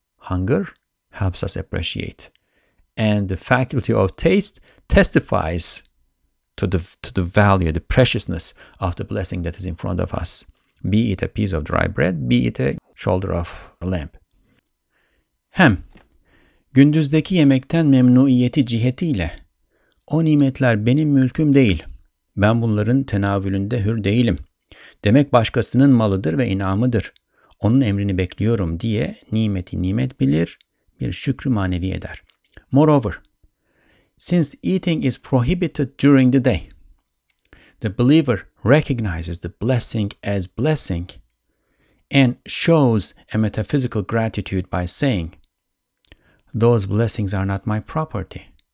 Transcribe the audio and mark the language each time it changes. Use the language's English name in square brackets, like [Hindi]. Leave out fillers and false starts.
[English] Hunger helps us appreciate, and the faculty of taste testifies to the value, the preciousness of the blessing that is in front of us, be it a piece of dry bread, be it a shoulder of a lamb. [Turkish] Hem, gündüzdeki yemekten memnuniyeti cihetiyle, o nimetler benim mülküm değil, ben bunların tenavülünde hür değilim, demek başkasının malıdır ve inamıdır, onun emrini bekliyorum diye nimeti nimet bilir, bir şükrü manevi eder. [English] Moreover, since eating is prohibited during the day, the believer recognizes the blessing as blessing and shows a metaphysical gratitude by saying, those blessings are not my property.